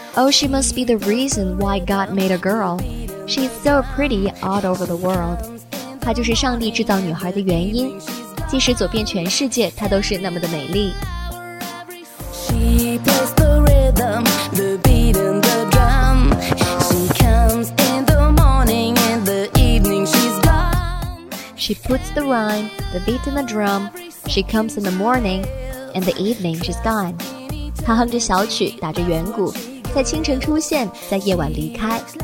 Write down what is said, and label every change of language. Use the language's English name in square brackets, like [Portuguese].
[English] She must be the reason why God made a girl. She's so pretty all over the world. [Chinese] 她就是上帝制造女孩的原因。即使走遍全世界，她都是那么的美丽。 [English] She plays the rhythm, the beat and the drum. She comes in the morning and the evening she's gone. She puts the rhyme, the beat and the drum. She comes in the morning and the evening she's gone. [Chinese] 她哼着小曲，打着圆鼓。在清晨出现，在夜晚离开。